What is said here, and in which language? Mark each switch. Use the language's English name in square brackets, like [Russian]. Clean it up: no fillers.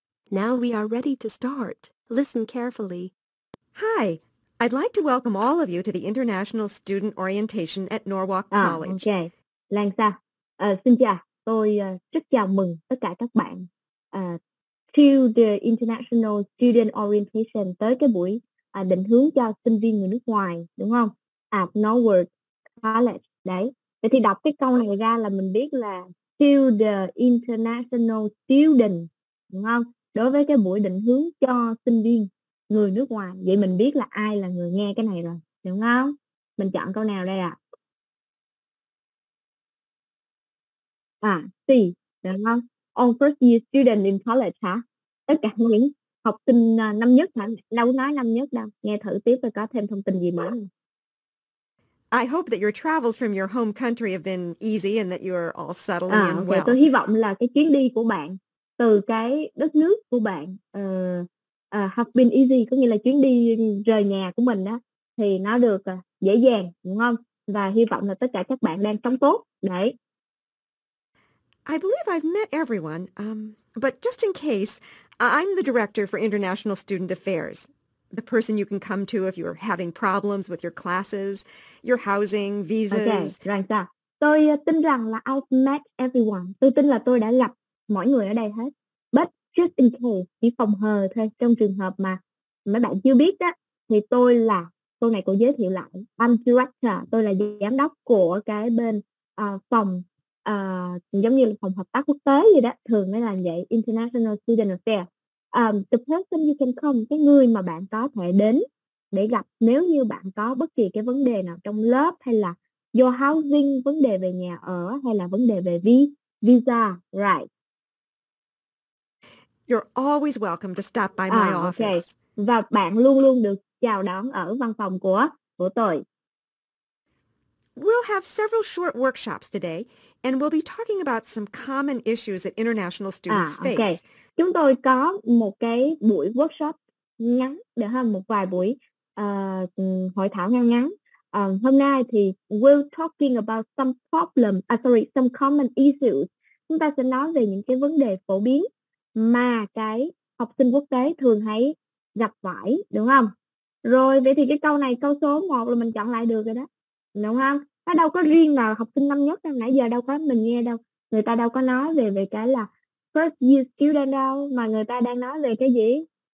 [English] Now we are ready to start. Listen carefully. Hi, I'd like to welcome all of you to the International Student Orientation at Norwalk College. Okay, Langsa. [Vietnamese] Xin chào, tôi rất chào mừng tất cả các bạn [English] to the International Student Orientation, [Vietnamese] tới cái buổi định hướng cho sinh viên người nước ngoài, đúng không? At Norwalk College, đấy. Vậy thì đọc cái câu này ra là mình biết là [English] to the International Student, [Vietnamese] đúng không? Đối với cái buổi định hướng cho sinh viên người nước ngoài, vậy mình biết là ai là người nghe cái này rồi, đúng không? Mình chọn câu nào đây ạ? [English] C, [Vietnamese] đúng không? [English] On first year student in college, [Vietnamese] hả? Tất cả những học sinh năm nhất, hả? Đâu nói năm nhất đâu. Nghe thử tiếp rồi có thêm thông tin gì nữa. [English] I hope that your travels from your home country have been easy and that you are all settling in well. [Vietnamese] Tôi hy vọng là cái chuyến đi của bạn từ cái đất nước của bạn [English] have been easy, [Vietnamese] có nghĩa là chuyến đi rời nhà của mình đó, thì nó được dễ dàng, đúng không? Và hy vọng là tất cả các bạn đang sống tốt. Đấy. [English] I believe I've met everyone, but just in case, I'm the director for International Student Affairs, the person you can come to if you're having problems with your classes, your housing, visas. [Vietnamese] Okay, rằng sao? Tôi tin rằng là [English] I've met everyone. [Vietnamese] Tôi tin là tôi đã gặp mọi người ở đây hết. [English] But just in case, [Vietnamese] chỉ phòng hờ thôi, trong trường hợp mà mấy bạn chưa biết đó, thì tôi là, câu này cô giới thiệu lại, [English] I'm director, [Vietnamese] tôi là giám đốc của cái bên phòng. Giống như là phòng hợp tác quốc tế vậy đó, thường mới là vậy, International Student Affairs. [English] The person you can come, [Vietnamese] cái người mà bạn có thể đến để gặp nếu như bạn có bất kỳ cái vấn đề nào trong lớp, hay là [English] your housing, [Vietnamese] vấn đề về nhà ở, hay là vấn đề về visa, [English] right? You're always welcome to stop by my office. Okay. [Vietnamese] Và bạn luôn luôn được chào đón ở văn phòng của tôi. [English] We'll have several short workshops today, and we'll be talking about some common issues that international students face. Okay. [Vietnamese] Chúng tôi có một cái buổi workshop ngắn, được không? Một vài buổi hội thảo ngắn ngắn. Hôm nay thì [English] we're talking about some problem, some common issues. [Vietnamese] Chúng ta sẽ nói về những cái vấn đề phổ biến mà cái học sinh quốc tế thường hay gặp phải, đúng không? Rồi, vậy thì cái câu này, câu số 1 là mình chọn lại được rồi đó, đúng không? Nó đâu có riêng là học sinh năm nhất, nãy giờ đâu có mình nghe đâu. Người ta đâu có nói về về cái là [English] first year student [Vietnamese] đâu, mà người ta đang nói về cái gì?